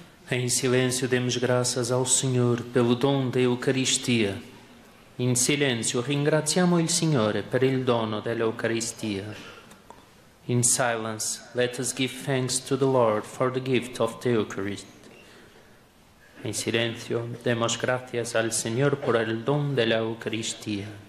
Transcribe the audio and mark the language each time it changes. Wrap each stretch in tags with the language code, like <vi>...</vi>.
<pt>Em silêncio demos graças ao Senhor pelo dom da Eucaristia.</pt> <it>In silenzio ringraziamo il Signore per il dono dell'Eucaristia.</it> <en>In silence, let us give thanks to the Lord for the gift of the Eucharist.</en> <it>In silenzio,</it> <es>demos gracias al Señor por el don de la Eucaristía.</es>